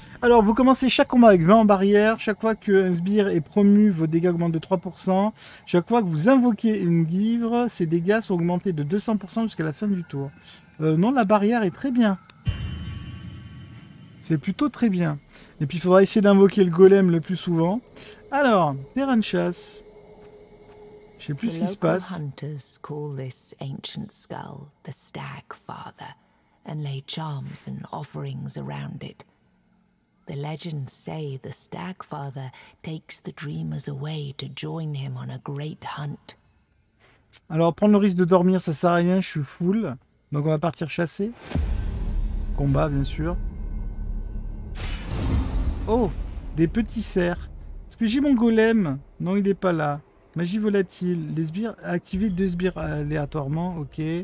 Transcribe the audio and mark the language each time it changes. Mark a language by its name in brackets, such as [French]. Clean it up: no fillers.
[French] Alors, vous commencez chaque combat avec 20 en barrière. Chaque fois qu'un sbire est promu, vos dégâts augmentent de 3%. Chaque fois que vous invoquez une guivre, ses dégâts sont augmentés de 200% jusqu'à la fin du tour. Non, la barrière est très bien. C'est plutôt très bien. Et puis, il faudra essayer d'invoquer le golem le plus souvent. Alors, terrain de chasse. Je sais plus ce qui se passe. [English] Les hunters call this ancient skull the Stag Father and lay charms and offerings around it. The legends say the Stag Father takes the dreamers away to join him on a great hunt. [French] Alors, prendre le risque de dormir, ça sert à rien, je suis full. Donc on va partir chasser. Combat, bien sûr. Oh, des petits cerfs. Est-ce que j'ai mon golem? Non, il n'est pas là. Magie volatile, les sbires, activer 2 sbires aléatoirement, ok.